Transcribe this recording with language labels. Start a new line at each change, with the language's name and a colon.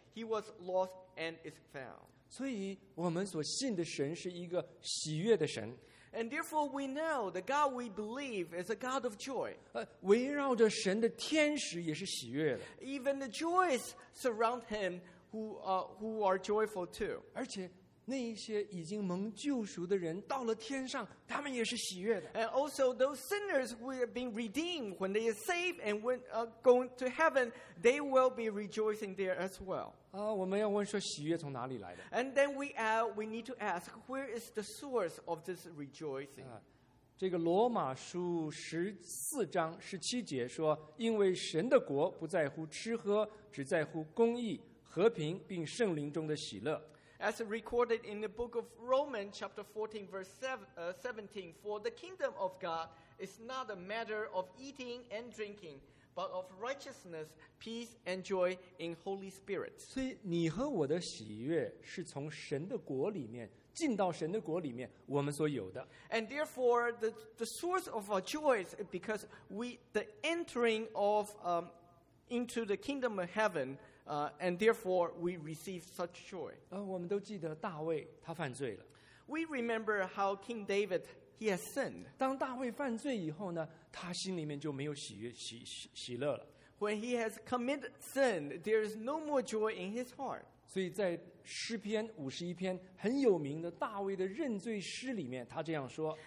English: He was lost and is found.
Chinese: 所以我们所信的神是一个喜悦的神。
English: And therefore we know the God we believe is a God of joy.
Chinese: 围绕着神的天使也是喜悦的。
English: Even the joys surround him who are joyful too.
Chinese: 而且那一些已经蒙救赎的人到了天上，他们也是喜悦的。
English: And also those sinners who have been redeemed when they are saved and when going to heaven, they will be rejoicing there as well.
Chinese: 我们要问说喜悦从哪里来的。
English: And then we need to ask, where is the source of this rejoicing?
Chinese: 这个罗马书十四章十七节说，因为神的国不在乎吃喝，只在乎公义、和平并圣灵中的喜乐。
English: As recorded in the book of Romans, chapter 14, verse 17, for the kingdom of God is not a matter of eating and drinking, but of righteousness, peace, and joy in Holy Spirit.
Chinese: 所以你和我的喜悦是从神的国里面，进到神的国里面，我们所有的。
English: And therefore, the source of our joy is because the entering of into the kingdom of heaven. And therefore, we receive such joy.
Chinese: 我们都记得大卫他犯罪了。
English: We remember how King David he has sinned.
Chinese: 当大卫犯罪以后呢，他心里面就没有喜乐了。
English: When he has committed sin, there is no more joy in his heart.
Chinese: 所以在诗篇五十一篇很有名的大卫的认罪诗里面，他这样说。